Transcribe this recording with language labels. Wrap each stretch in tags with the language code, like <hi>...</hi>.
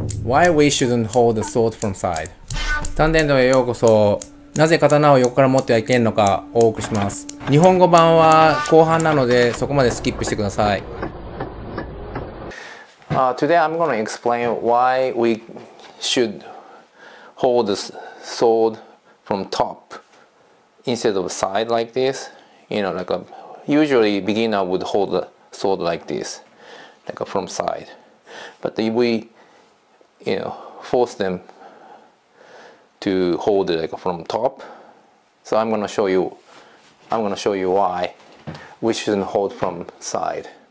<en>Why we shouldn't hold the sword from side?</en> <ja>Tanendo へようこそ。なぜ刀を横から持ってはいけんのかお送りします。日本語版は後半なのでそこまでスキップしてください。</ja> <en>Today I'm going to explain why we should hold the sword from top instead of side like this. You know, like a, usually beginner would hold the sword like this. Like from side, but if we, you know, force them to hold it like from top, so I'm gonna show you why we shouldn't hold from side.</en>